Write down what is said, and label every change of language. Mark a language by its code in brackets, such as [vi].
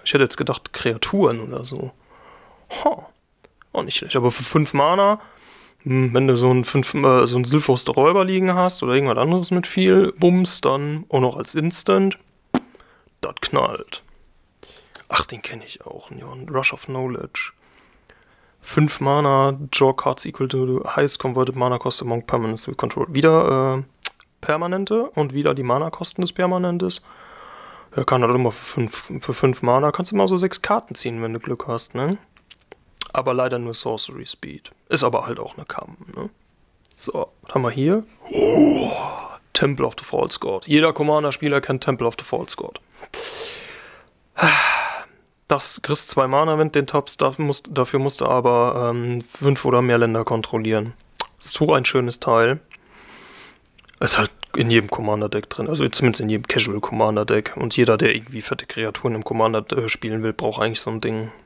[de] Ich hätte jetzt gedacht, Kreaturen oder so. Oh, nicht schlecht. Aber für 5 Mana. Wenn du so einen Sylphos Räuber liegen hast oder irgendwas anderes mit viel Bums, dann auch noch als Instant, das knallt. Ach, den kenne ich auch. Rush of Knowledge. [en] 5 Mana, draw cards equal to highest converted Mana cost among permanents we control. [de] Wieder permanente und wieder die Mana-Kosten des Permanentes. Ja, kann halt immer für fünf Mana, kannst du mal so 6 Karten ziehen, wenn du Glück hast, ne? Aber leider nur Sorcery Speed. Ist aber halt auch eine Kamm, ne? So, was haben wir hier? Oh, Temple of the False God. Jeder Commander-Spieler kennt Temple of the False God. Das kriegst 2 Mana, wenn du den tappst. Dafür musst du aber 5 oder mehr Länder kontrollieren. Ist so ein schönes Teil. Ist halt in jedem Commander-Deck drin. Also zumindest in jedem Casual-Commander-Deck. Und jeder, der irgendwie fette Kreaturen im Commander spielen will, braucht eigentlich so ein Ding.